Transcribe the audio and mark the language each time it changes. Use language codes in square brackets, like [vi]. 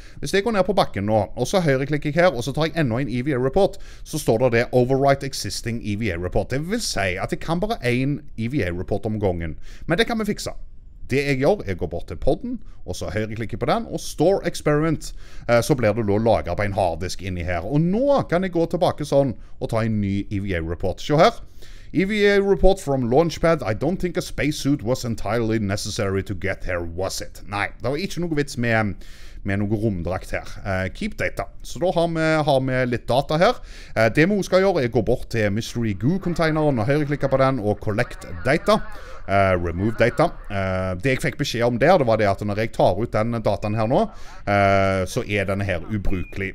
[no] Hvis jeg går ned på bakken nå, og så høyreklikker jeg her, og så tar jeg enda en EVA report, så står det [en] overwrite existing EVA report. [no] Det vil si at jeg kan bare en EVA report om gangen. Men det kan vi fikse. Det jeg gjør, jeg går bort til podden, og så høyreklikker på den, og [en] store experiment, [no] så blir det lagret på en harddisk inni her. Og nå kan jeg gå tilbake sånn, og ta en ny EVA report. Se her. [en] EVA report from launchpad, I don't think a spacesuit was entirely necessary to get here, was it? [no] Nei, det var ikke noe vits med noe romdrakt her. [en] Keep data. [no] Så da har vi litt data her. Det vi skal gjøre er gå bort til Mystery Goo-containeren og høyreklikke på den og [en] collect data. Remove data. [no] Det jeg fikk beskjed om der, det var det at når jeg tar ut den dataen her nå, så er den her ubrukelig.